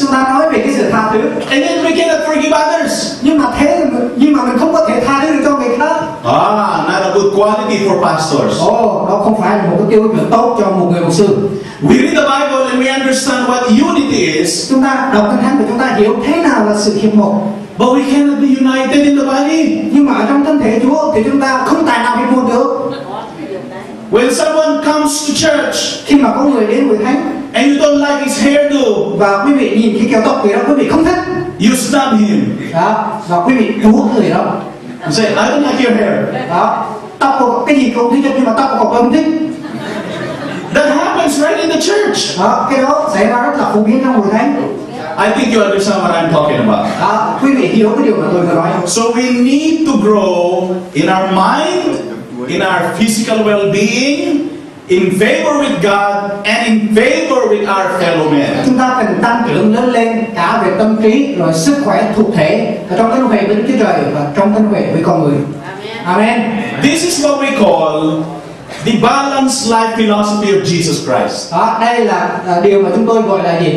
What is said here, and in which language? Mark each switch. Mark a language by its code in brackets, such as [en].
[vi] Chúng ta nói về cái sự tha thứ. [en] And then we cannot forgive others. [vi] Nhưng mà mình không có thể tha thứ được cho người khác. [en] Not a good quality for pastors. [vi] Đó không phải là một cái tiêu chuẩn tốt cho một người mục sư. [en] We read the Bible and we understand what unity is. [vi] Chúng ta đọc Kinh Thánh và chúng ta hiểu thế nào là sự hiệp một. [en] But we cannot be united in the body. [vi] Nhưng mà ở trong thân thể Chúa thì chúng ta không tài nào hiệp một được. [en] When someone comes to church, [vi] khi mà có người đến hội thánh, [en] and you don't like his hairdo, [vi] và quý vị nhìn cái kiểu tóc người đó quý vị không thích, [en] you stop him. [vi] Đó, và quý vị đuổi người đó. [en] You say, I don't like your hair. [vi] Đó, tóc của cái gì không thích nhưng mà tóc của cậu không thích. [en] That happens right in the church. [vi] Đó, cái đó xảy ra rất là phổ biến trong hội thánh. [en] I think you understand what I'm talking about. [vi] Quý vị hiểu cái điều mà tôi vừa nói. [en] So we need to grow in our mind, in our physical well-being, in favor with God and in favor with our fellow men. [vi] Chúng ta cần tăng trưởng lớn lên cả về tâm trí rồi sức khỏe thuộc thể ở trong thân thể với Đức Chúa Trời và trong thân thể với con người. [en] Amen. This is what we call the balanced life philosophy of Jesus Christ. [vi] Đây là điều mà chúng tôi gọi là gì?